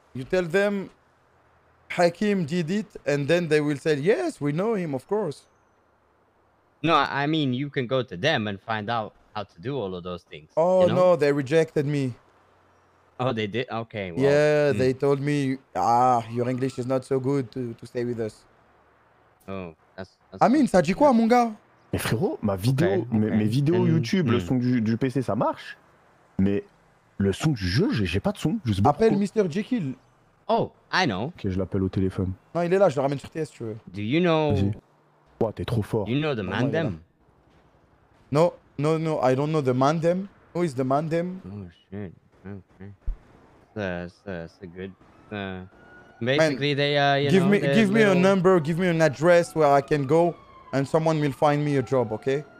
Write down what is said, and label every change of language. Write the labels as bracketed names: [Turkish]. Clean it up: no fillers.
[English] You tell them Hakim did it, and then they will say, yes, we know him, of course. No, I mean, you can go to them and find out how to do all of those things. Oh, you know? No, they rejected me. Oh, they did? Okay. Well, yeah, they told me, your English is not so good to stay with us. Oh, that's [French] Amine, ça dit quoi, mon gars? Mais frérot, ma vidéo, mes vidéos YouTube, le son du PC, ça marche. Mais le son du jeu, j'ai pas de son. Juste appelle Mr. Jekyll. [English] Oh, I know. [French] Ok, je l'appelle au téléphone. Non, il est là, je le ramène sur TS, tu veux. [English] Do you know... [French] Vas-y. Wow, t'es trop fort. [English] You know the Mandem? No, I don't know the Mandem. Who is the Mandem? Oh shit, okay. That's a good... basically, man, they, you give know... Give me a number, give me an address where I can go and someone will find me a job, okay?